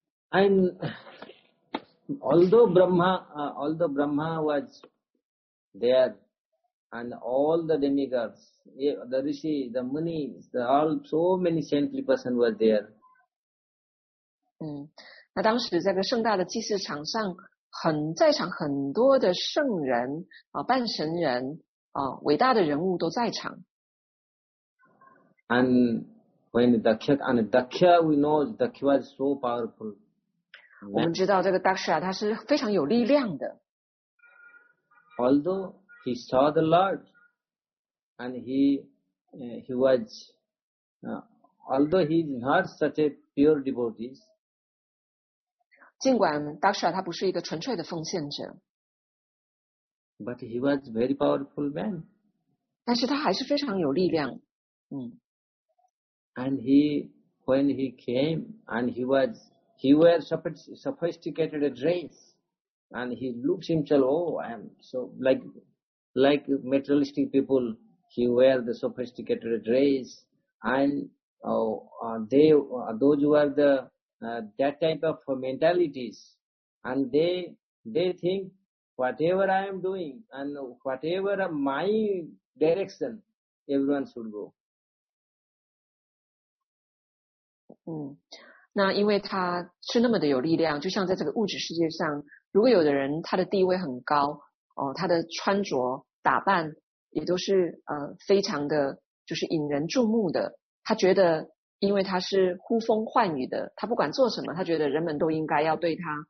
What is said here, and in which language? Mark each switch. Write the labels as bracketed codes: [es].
[en] And although Brahma was there, and all the demigods, the rishi, the munis, all so many saintly person were there. [zh] 那当时在个盛大的祭祀场上，在场很多的圣人半神人伟大的人物都在场。 [en] And when Dakshya, we know Dakshya was so powerful. [zh] 我们知道这个 Daksha 他是非常有力量的。 [en] Although he saw the Lord, and he was, although he is not such a pure devotee, [zh] 尽管 Daksha 他不是一个纯粹的奉献者。 [en] But he was a very powerful man. [zh] 但是他还是非常有力量。 [en] And he, when he came, and he wore sophisticated dress, and he looked himself, I am so, like materialistic people, he wear the sophisticated dress, and those who are that type of mentalities, and they think,Whatever I am doing and whatever my direction, everyone should go. [zh] 那因为他是那么的有力量，就像在这个物质世界上，如果有的人他的地位很高，他的穿着打扮也都是非常的就是引人注目的。他觉得因为他是呼风唤雨的，他不管做什么，他觉得人们都应该要对他。